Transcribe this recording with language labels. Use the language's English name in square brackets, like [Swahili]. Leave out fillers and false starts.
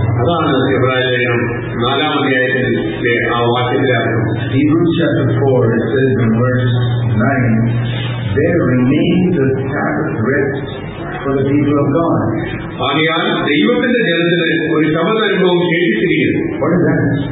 [Malayalam] അതാണ് ഹെബ്രായ ലേഖനം 4 അധ്യായത്തിലെ ആ വാക്യത്തിലെ അർത്ഥം. [English] Hebrews chapter 4 it says in verse 9 there remains a Sabbath rest for the people of God. [Malayalam] ആകയാൽ ദൈവത്തിന്റെ ജനത്തിന് ഒരു ശബ്ദ അനുഭവം ശേഷിച്ചിരിക്കുന്നു.